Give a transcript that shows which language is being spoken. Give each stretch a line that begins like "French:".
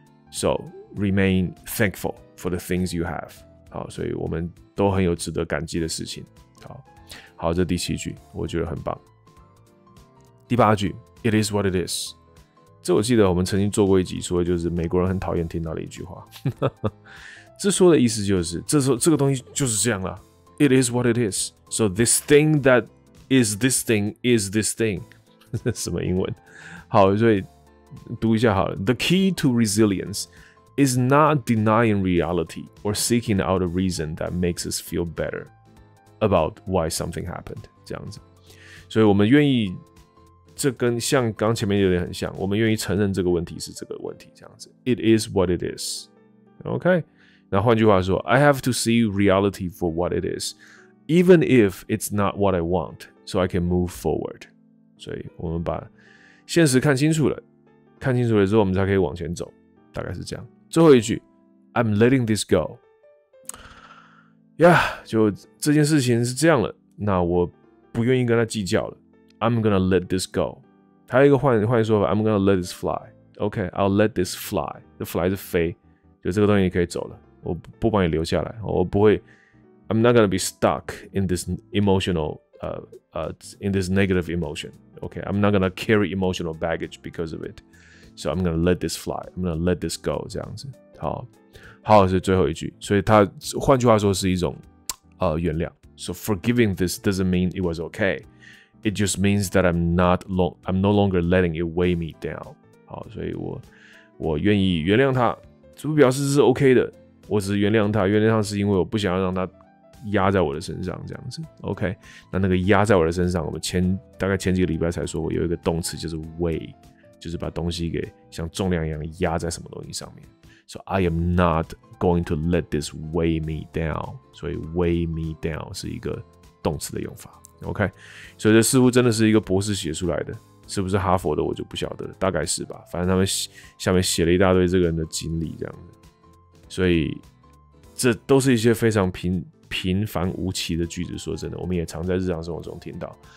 English: So remain thankful for the things you have.
Chinese: 好，所以我们都很有值得感激的事情。好，好，这第七句我觉得很棒。第八句
English: ，It is what it is.
Chinese: 这我记得我们曾经做过一集，说就是美国人很讨厌听到的一句话。这说的意思就是，这个东西就是这样了。
English: It is what it is. So this thing that is this thing is this thing.
Chinese: 什么英文？好，所以读一下好了。
English: The key to resilience is not denying reality or seeking out a reason that makes us feel better about why something happened.
Chinese: 这样子。所以我们愿意，这跟像刚前面有点很像，我们愿意承认这个问题是这个问题，这样子。
English: It is what it is. Okay.
Chinese: 那换句话说
English: ，I have to see reality for what it is, even if it's not what I want, so I can move forward.
Chinese: 所以我们把现实看清楚了，看清楚了之后，我们才可以往前走，大概是这样。最后一句
English: ，I'm letting this go.
Chinese: Yeah, 就这件事情是这样了，那我不愿意跟他计较了。
English: I'm gonna let this go.
Chinese: 还有一个换说法
English: ，I'm gonna let this fly. Okay, I'll let this fly. The fly
Chinese: 是飞，就这个东西可以走了。我不把你留下来，我不会。
English: I'm not gonna be stuck in this emotional, in this negative emotion. Okay, I'm not gonna carry emotional baggage because of it. So I'm gonna let this fly. I'm gonna let this go.
Chinese: 这样子，好，好，是最后一句。所以它换句话说是一种，原谅。
English: So forgiving this doesn't mean it was okay. It just means that I'm no longer letting it weigh me down.
Chinese: 好，所以我愿意原谅他，这不表示是 OK 的。我只是原谅他，原谅他是因为我不想要让他压在我的身上，这样子。 OK， 那那个压在我的身上，我们大概前几个礼拜才说，我有一个动词就是 weigh， 就是把东西给像重量一样压在什么东西上面。
English: So I am not going to let this weigh me down.
Chinese: 所以
English: weigh me down
Chinese: 是一个动词的用法。 OK， 所以这似乎真的是一个博士写出来的，是不是哈佛的我就不晓得了，大概是吧。反正他们下面写了一大堆这个人的经历这样的，所以这都是一些非常平凡无奇的句子。说真的，我们也常在日常生活中听到。